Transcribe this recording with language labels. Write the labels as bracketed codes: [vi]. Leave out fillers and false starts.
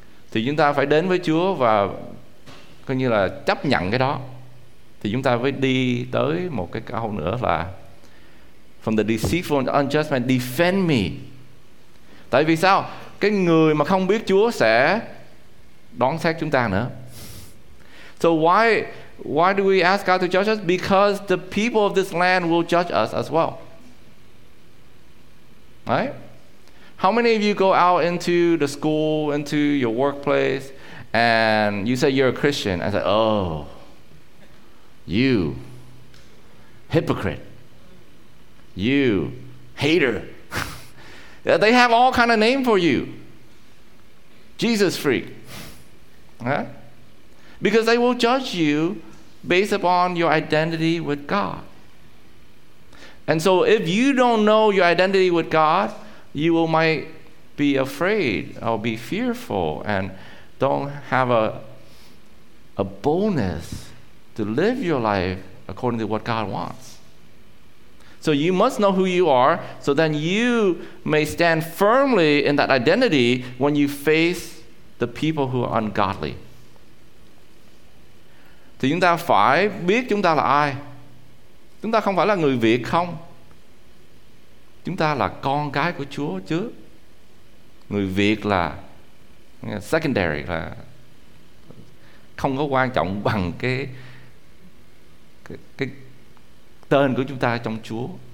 [vi] Thì chúng ta phải đến với Chúa và coi như là chấp nhận cái đó. Thì chúng ta mới đi tới một cái câu nữa là [en] from the deceitful and unjust man, defend me. [vi] Tại vì sao? Cái người mà không biết Chúa sẽ đoán xét chúng ta nữa. [en] So why do we ask God to judge us? Because the people of this land will judge us as well. Right? How many of you go out into the school, into your workplace, and you say you're a Christian? I say, oh, you, hypocrite. You, hater. They have all kind of name for you. Jesus freak. Huh? Because they will judge you based upon your identity with God. And so if you don't know your identity with God, you will might be afraid or be fearful and don't have a boldness to live your life according to what God wants. So you must know who you are, so then you may stand firmly in that identity when you face the people who are ungodly. [vi] Thì chúng ta phải biết chúng ta là ai. Chúng ta không phải là người Việt không. Chúng ta là con cái của Chúa chứ. Người Việt là secondary, là không có quan trọng bằng cái tên của chúng ta trong Chúa.